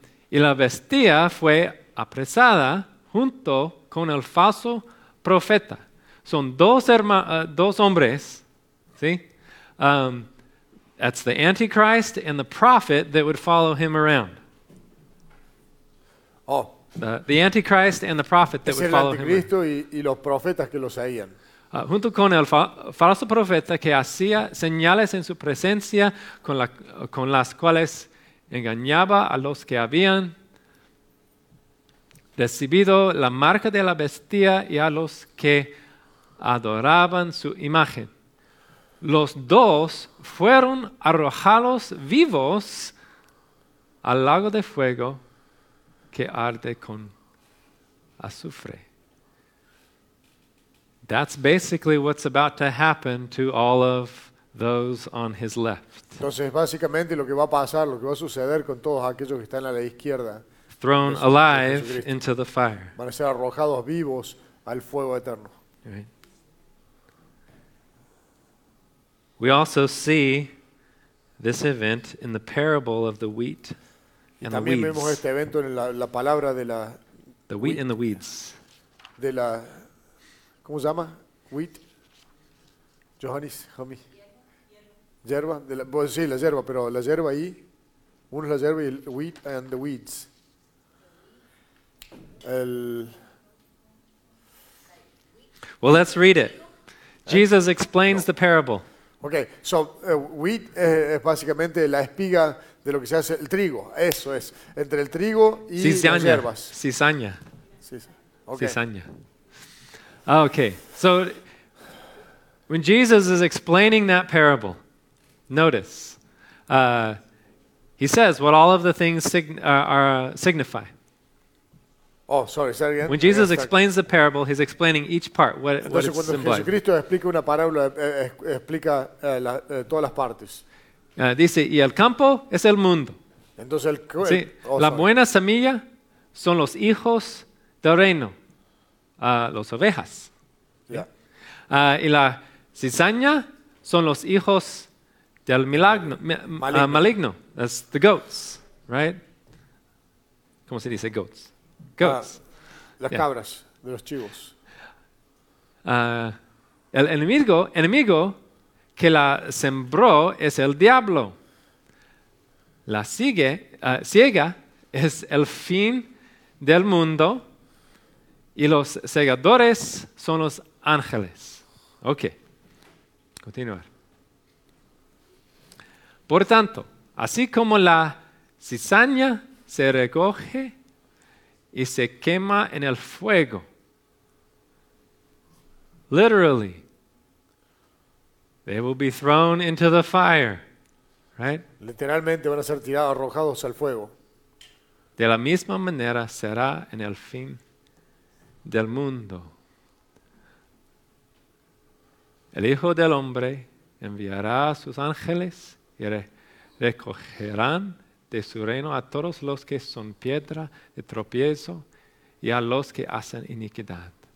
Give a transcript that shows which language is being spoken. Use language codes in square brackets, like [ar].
[es] Y la bestia fue apresada junto con el falso profeta. Son dos hombres, ¿sí? [en] That's the Antichrist and the prophet that would follow him around. Oh, the Antichrist and the prophet that would follow him around. [es] Es el anticristo y los profetas que lo seguían. Junto con el falso profeta que hacía señales en su presencia con las cuales engañaba a los que habían recibido la marca de la bestia y a los que adoraban su imagen. Los dos fueron arrojados vivos al lago de fuego que arde con azufre. [en] That's basically what's about to happen to all of those on his left. [es] Entonces, básicamente lo que va a pasar, lo que va a suceder con todos aquellos que están a la izquierda. [en] Thrown alive into the fire. [es] Van a ser arrojados vivos al fuego eterno. [en] Right. We also see this event in the parable of the wheat and the weeds. [es] También vemos este evento en la palabra de la [en] the wheat and the weeds. [es] De la ¿cómo se llama? Wheat. Johannes, homie. Hierba. De la, pues sí, la hierba, pero la hierba ahí uno es la hierba y el [en] wheat and the weeds. Well, let's read it. Jesus explains the parable. Okay, so [es] wheat es básicamente la espiga de lo que se hace el trigo. Eso es entre el trigo y cizaña. Las hierbas. Cizaña. [en] Okay. [es] Cizaña. Okay. [en] So when Jesus is explaining that parable, notice he says what all of the things signify. Oh, sorry. Say again. When Jesus explains the parable, he's explaining each part, what it symbolizes. [es] Cuando Jesucristo explica una parábola, explica todas las partes. Dice, y el campo es el mundo. Entonces, la buena semilla son los hijos del reino, los ovejas. [en] Yeah. [es] Y la cizaña son los hijos del milagno, maligno. [en] That's the goats, right? [es] ¿Cómo se dice goats? Las cabras de los chivos. El enemigo que la sembró es el diablo. La sigue ciega es el fin del mundo y los segadores son los ángeles. Okay. Continuar. Por tanto, así como la cizaña se recoge y se quema en el fuego. Literally, they will be thrown into the fire, right? Literalmente van a ser tirados, arrojados al fuego. De la misma manera será en el fin del mundo. El Hijo del Hombre enviará a sus ángeles y recogerán de su reino a todos los que son piedra de tropiezo y a los que hacen iniquidad.